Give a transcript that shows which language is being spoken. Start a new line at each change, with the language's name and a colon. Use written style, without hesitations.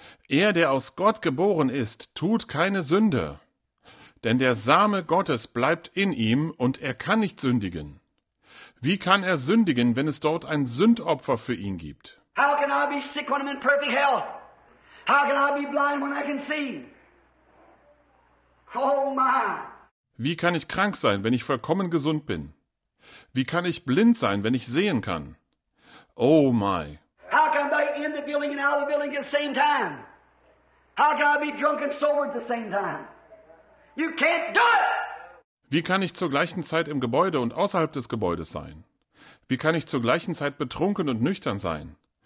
German: Er, der aus Gott geboren ist, tut keine Sünde, denn der Same Gottes bleibt in ihm und er kann nicht sündigen. Wie kann er sündigen, wenn es dort ein Sündopfer für ihn gibt?
English: How can I be sick when I'm in perfect health? How can I be blind when I can see? Oh my!
German: Wie kann ich krank sein, wenn ich vollkommen gesund bin? Wie kann ich blind sein, wenn ich sehen kann?
English: Oh my! How can I be in the building and out of the building at the same time? How can I be drunk and sober at the same time? You can't do it!
German: Wie kann ich zur gleichen Zeit im Gebäude und außerhalb des Gebäudes sein? Wie kann ich zur gleichen Zeit betrunken und nüchtern sein?